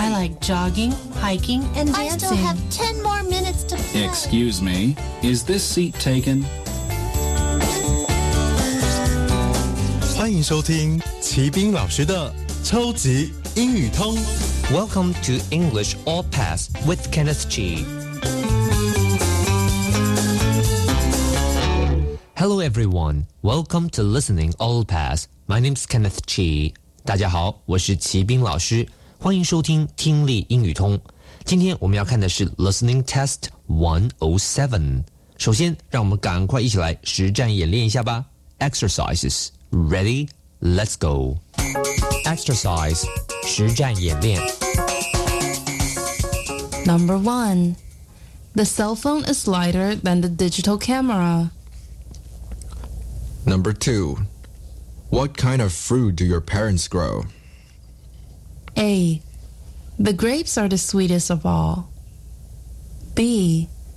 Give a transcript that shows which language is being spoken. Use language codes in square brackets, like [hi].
[en] I like jogging, hiking, and dancing. I still have 10 more minutes to play. Excuse me, is this seat taken? [zh] 欢迎收听齐斌老师的超级英语通。 [en] Welcome to English All Pass with Kenneth G. Hello everyone, welcome to Listening All Pass. My name is Kenneth G. [zh] 大家好，我是齐斌老师，欢迎收听听力英语通。今天我们要看的是 Listening Test 107。首先，让我们赶快一起来实战演练一下吧。 [en] Exercises. Ready? Let's go. [zh] Exercise, 实战演练 [en] Number 1. The cell phone is lighter than the digital camera. Number 2. What kind of fruit do your parents grow? A. The grapes are the sweetest of all. B.